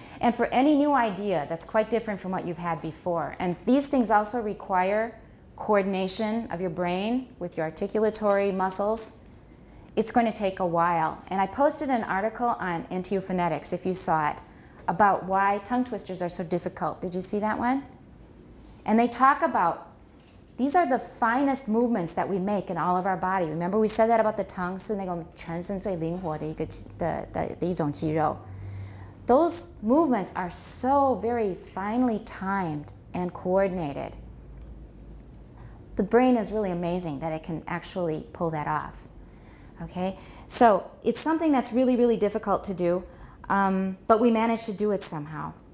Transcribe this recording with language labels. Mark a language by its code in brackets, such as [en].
[en] And for any new idea that's quite different from what you've had before, and these things also require coordination of your brain with your articulatory muscles, it's going to take a while. And I posted an article on NTU Phonetics, if you saw it, about why tongue twisters are so difficult. Did you see that one? And they talk about these are the finest movements that we make in all of our body. Remember we said that about the tongue? [zh] 是那个全身最灵活的一个的一种肌肉. [en] Those movements are so very finely timed and coordinated. the brain is really amazing that it can actually pull that off. Okay, so it's something that's really, really difficult to do, but we managed to do it somehow.